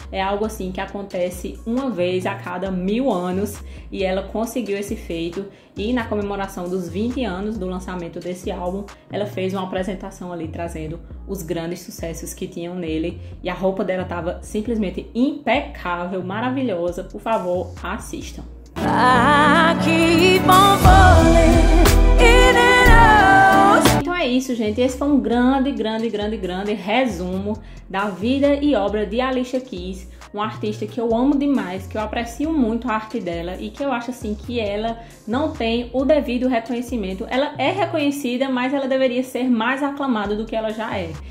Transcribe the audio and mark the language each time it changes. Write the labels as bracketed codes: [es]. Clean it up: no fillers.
[pt] É algo assim que acontece uma vez a cada 1000 anos e ela conseguiu esse feito. E na comemoração dos 20 anos do lançamento desse álbum, ela fez uma apresentação ali trazendo os grandes sucessos que tinham nele. E a roupa dela estava simplesmente impecável, maravilhosa. Por favor, assistam. [en] I keep on falling in and out. [pt] Então é isso, gente. Esse foi um grande resumo da vida e obra de Alicia Keys, uma artista que eu amo demais, que eu aprecio muito a arte dela e que eu acho assim que ela não tem o devido reconhecimento. Ela é reconhecida, mas ela deveria ser mais aclamada do que ela já é.